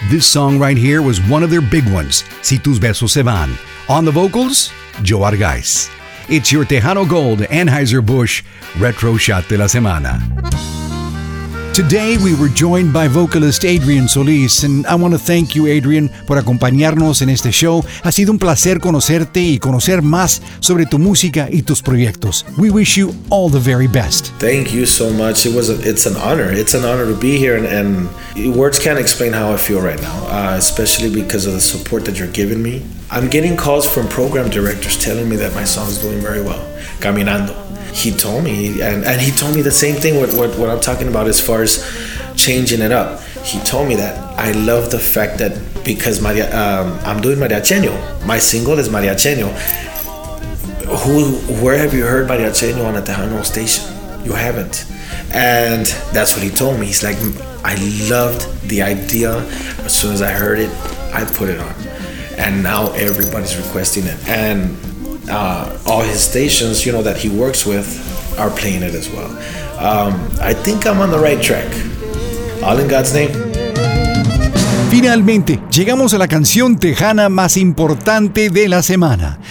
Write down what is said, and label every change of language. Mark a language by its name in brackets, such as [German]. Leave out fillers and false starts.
[English] This song right here was one of their big ones, Si Tus Besos Se Van. On the vocals, Joe Argais. It's your Tejano Gold Anheuser-Busch Retro Shot de la Semana. Today we were joined by vocalist Adrian Solis, and I want to thank you, Adrian, [Spanish] por acompañarnos en este show. Ha sido un placer conocerte y conocer más sobre tu música y tus proyectos. [English] We wish you all the very best. Thank you so much. It's an honor. It's an honor to be here, and words can't explain how I feel right now, especially because of the support that you're giving me. I'm getting calls from program directors telling me that my song is doing very well. Caminando. He told me, and he told me the same thing with what I'm talking about as far as changing it up. He told me that I love the fact that because I'm doing Mariacheño, my single is Mariacheño. Where have you heard Mariacheño on a Tejano station? You haven't. And that's what he told me. He's like, I loved the idea. As soon as I heard it, I put it on. And now everybody's requesting it. And all his stations, you know, that he works with are playing it as well. I think I'm on the right track. All in God's name. [Spanish] Finalmente, llegamos a la canción tejana más importante de la semana.